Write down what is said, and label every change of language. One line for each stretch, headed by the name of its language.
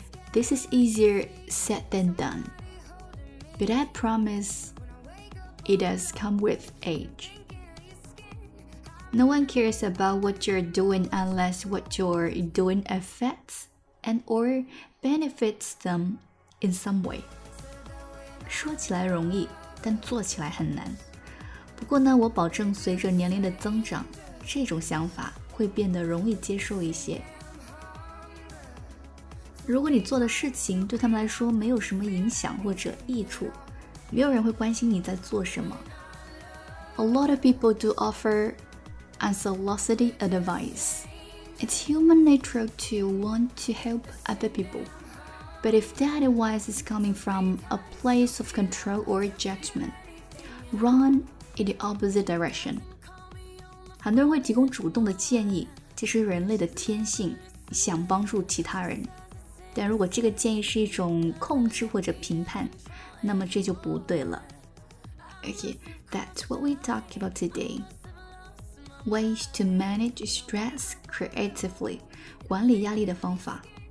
English: This is easier said than done， But I promiseIt does come with age. No one cares about what you're doing unless what you're doing affects and or benefits them in some way.
Chinese: 说起来容易，但做起来很难。不过呢，我保证随着年龄的增长，这种想法会变得容易接受一些。如果你做的事情对他们来说没有什么影响或者益处，没有人会关心你在做什么。
English: A lot of people do offer unsolicited advice. It's human nature to want to help other people. But if that advice is coming from a place of control or judgment, run in the opposite direction.
Chinese: 很多人会提供主动的建议，这是人类的天性，想帮助其他人。但如果这个建议是一种控制或者评判，那么这就不对了。
English: Okay, that's what we talk about today. Ways to manage stress creatively，
Chinese: 管理压力的方法。